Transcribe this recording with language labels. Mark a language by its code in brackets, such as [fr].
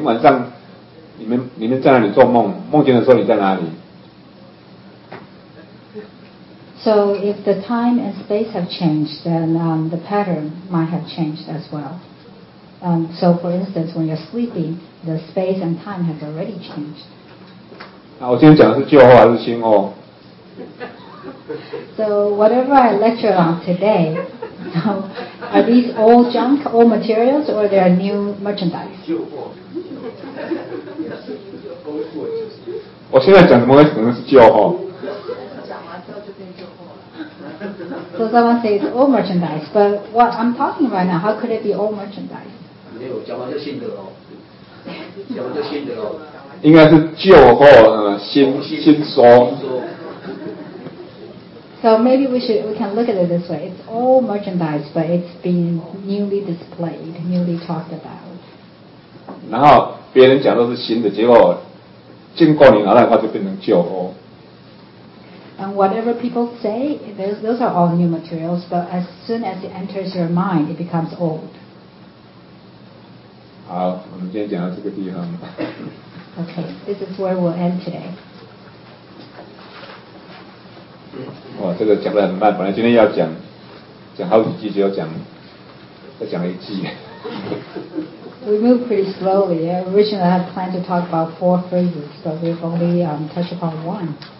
[zh] 你晚上，你们在哪里做梦？梦见的时候你在哪里 [en] ？So if the time and space have changed, then the pattern might have changed as well. So for instance, when you're sleeping, the space and time have already changed. [zh] 啊，我今天讲的是旧货还是新货？ [en] So whatever I lecture on today, so are these old junk, old materials, or they are new merchandise? [zh] 我现在讲什么可能是旧货。讲完之后就变旧货了。 [en] So someone says old merchandise, but what I'm talking right now, how could it be old merchandise? [zh] 没有，讲完就新的喽。讲完就新的喽。应该是旧货，新说。 [en] So maybe we can look at it this way. It's all merchandise, but it's been newly displayed, newly talked about. [zh] 然后别人讲都是新的，结果经过你拿来的话就变成旧货。 [en] And whatever people say, those are all new materials, but as soon as it enters your mind, it becomes old. [zh] 好，我们今天讲到这个地方。 [en] Okay, this is where we'll end today. [zh] 哇，这个讲得很慢，本来今天要讲，讲好几句，只有讲，再讲了一句。 [en] We move pretty slowly. Originally, I had planned to talk about four phrases, but we've only touched upon one.